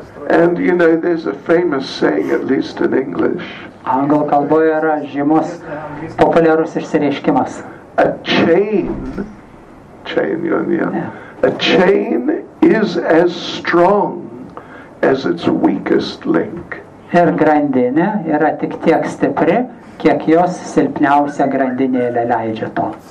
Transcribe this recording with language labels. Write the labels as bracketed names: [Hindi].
[English] And you know, there's a famous saying, at least in English. [Lithuanian] Anglų kalboje yra žymus populiarus išsireiškimas. [English] A chain is as strong as its weakest link. [Lithuanian] Ir grandinė yra tik tiek stipri, kiek jos silpniausia grandinėlė leidžia to.